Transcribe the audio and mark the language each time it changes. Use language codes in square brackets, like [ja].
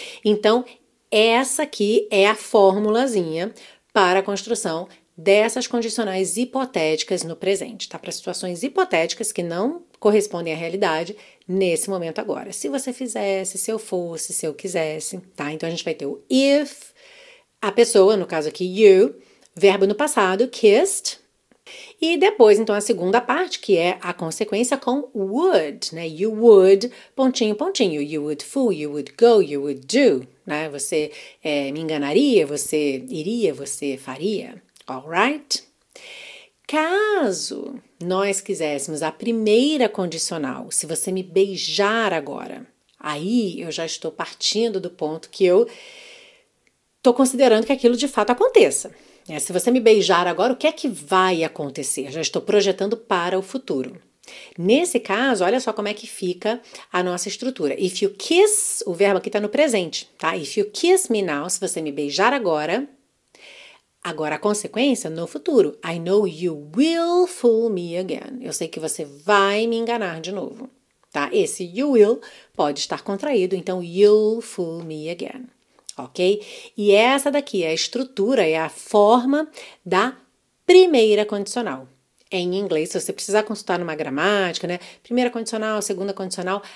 [pt] Então, essa aqui é a formulazinha para a construção dessas condicionais hipotéticas no presente, tá? Para situações hipotéticas que não correspondem à realidade nesse momento agora. Se você fizesse, se eu fosse, se eu quisesse, tá? Então a gente vai ter o if, a pessoa, no caso aqui you, verbo no passado, kissed, e depois então a segunda parte, que é a consequência com would, né? You would, pontinho, pontinho. [en] You would fool, you would go, you would do, né? [pt] Você me enganaria, você iria, você faria. [en] Alright? [pt] Caso nós quiséssemos a primeira condicional, se você me beijar agora, aí eu já estou partindo do ponto que eu estou considerando que aquilo de fato aconteça. É, se você me beijar agora, o que é que vai acontecer? Já estou projetando para o futuro. Nesse caso, olha só como é que fica a nossa estrutura. If you kiss, o verbo aqui está no presente, tá? [en] If you kiss me now, [pt] se você me beijar agora. Agora, a consequência no futuro. [en] I know you will fool me again. [pt] Eu sei que você vai me enganar de novo, tá? Esse you will pode estar contraído, então [en] you'll fool me again, [pt] ok? E essa daqui é a estrutura, é a forma da primeira condicional. Em inglês, se você precisar consultar numa gramática, né? Primeira condicional, segunda condicional.